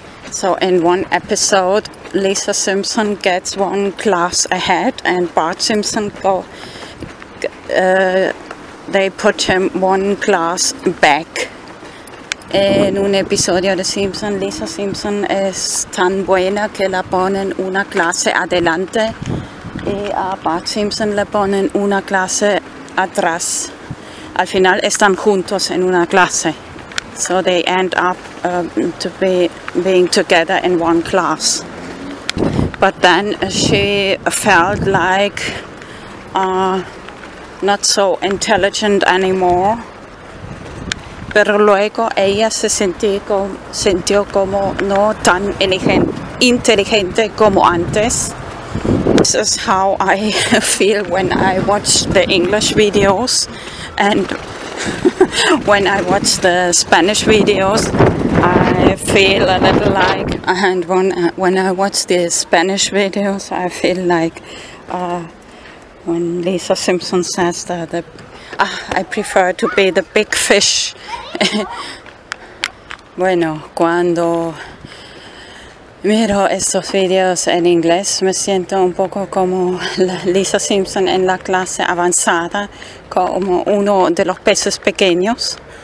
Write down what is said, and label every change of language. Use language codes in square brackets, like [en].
[en] So in one episode, Lisa Simpson gets one class ahead and Bart Simpson they put him one class back. [es] En un episodio de Simpson, Lisa Simpson es tan buena que la ponen una clase adelante y a Bart Simpson le ponen una clase atrás. Al final están juntos en una clase. [en] So they end up being together in one class. But then she felt like not so intelligent anymore. [es] Pero luego ella se sintió como no tan inteligente como antes. [en] This is how I feel when I watch the English videos and when I watch the Spanish videos. I feel a little like, and when I watch the Spanish videos, I feel like when Lisa Simpson says that I prefer to be the big fish. [es] Bueno, cuando miro estos videos en inglés, me siento un poco como Lisa Simpson en la clase avanzada, como uno de los peces pequeños.